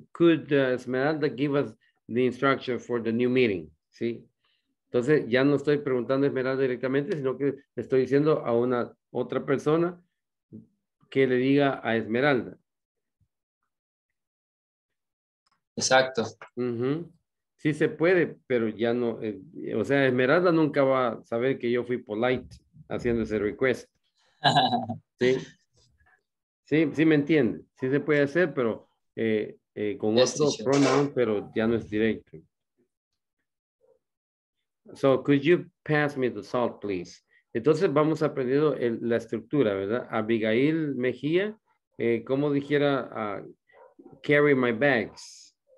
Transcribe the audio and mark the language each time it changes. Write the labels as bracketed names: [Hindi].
[English] Could Esmeralda give us the instruction for the new meeting? [Spanish] Sí. Entonces, ya no estoy preguntando a Esmeralda directamente, sino que estoy diciendo a una otra persona que le diga a Esmeralda. Exacto. Uh-huh. Sí se puede, pero ya no. O sea, Esmeralda nunca va a saber que yo fui polite haciendo ese request. Sí. Sí, sí me entiende. Sí se puede hacer, pero con [English] yes, [Spanish] otro pronoun, pero ya no es directo. [English] So, could you pass me the salt, please? [Spanish] Entonces, vamos aprendiendo la estructura, ¿verdad? Abigail Mejía, ¿cómo dijera [English] carry my bags?